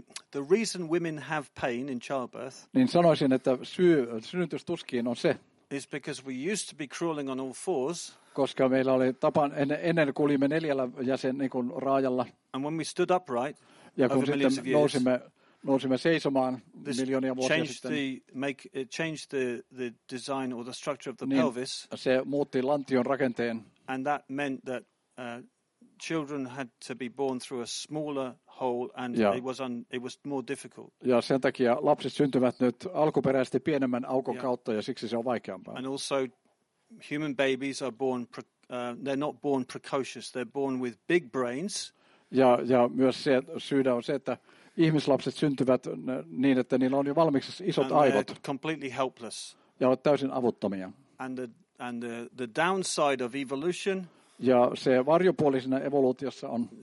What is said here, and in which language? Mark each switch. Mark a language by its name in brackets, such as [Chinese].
[English] the reason women have pain in childbirth. [Finnish] Niin sanoisin, että syy synnytystuskiin on se. [English] Is because we used to be crawling on all fours. [Finnish] Koska meillä oli tapa ennen kuljimme neljällä jäsen niin kuin raajalla. [English] And when we stood upright. [Finnish] Ja kun sitten nousimme seisomaan miljoonia vuosia sitten. [English] It changed the design or the structure of the pelvis. [Finnish] Se muutti lantion rakenteen. [English] And that meant that children had to be born through a smaller hole and it was more difficult. [Finnish] Ja sen takia lapset syntyvät nyt alkuperäisesti pienemmän aukon kautta ja siksi se on vaikeampaa. [English] And also human babies are born they're not born precocious, they're born with big brains. [Finnish] Ja myös se syy on se, että ihmislapset syntyvät niin, että niillä on jo valmiiksi isot aivot. [English] Completely helpless. [Finnish] Ja ovat täysin avuttomia. [English] And the downside of evolution. [Finnish] Ja se varjopuolisena evoluutiossa on.